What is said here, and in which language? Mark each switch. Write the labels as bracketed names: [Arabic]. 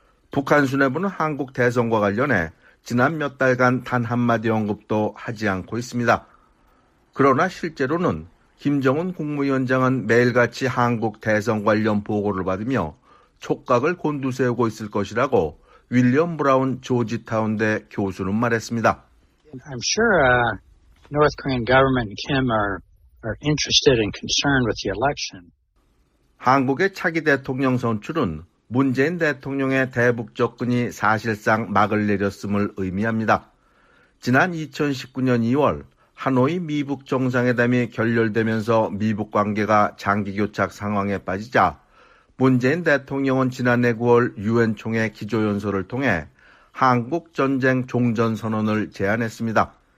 [Korean] 북한 수뇌부는 한국 대선과 관련해 지난 몇 달간 단 한마디 언급도 하지 않고 있습니다. 그러나 실제로는 김정은 국무위원장은 매일같이 한국 대선 관련 보고를 받으며 촉각을 곤두세우고 있을 것이라고 윌리엄 브라운 조지타운대 교수는 말했습니다. [English] I'm sure North Korean government and Kim are interested and concerned with the election. [Korean] 한국의 차기 대통령 선출은 문재인 대통령의 대북 접근이 사실상 막을 내렸음을 의미합니다. 지난 2019년 2월 하노이 미북 정상회담이 결렬되면서 미북 관계가 장기 교착 상황에 빠지자 문재인 대통령은 지난해 9월 유엔 총회 기조연설을 통해 한국 전쟁 종전 선언을 제안했습니다.